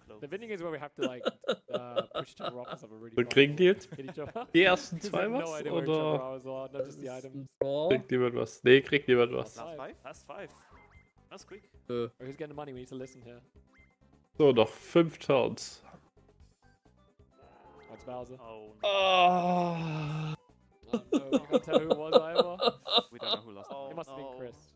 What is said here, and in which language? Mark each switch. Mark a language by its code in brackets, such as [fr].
[en] The winning is where we have to like push to rock us up a really. [de] Und kriegen die jetzt die ersten zwei was oder? Kriegt jemand was? Nee, kriegt jemand was? [en] Last five. Last five. That's quick. Or who's getting the money? We need to listen here. [de] So noch 5 Turns. [en] That's Bowser. Oh. No. Oh. I don't know. We can't tell who it was either. We don't know who lost. Oh, it must be Chris.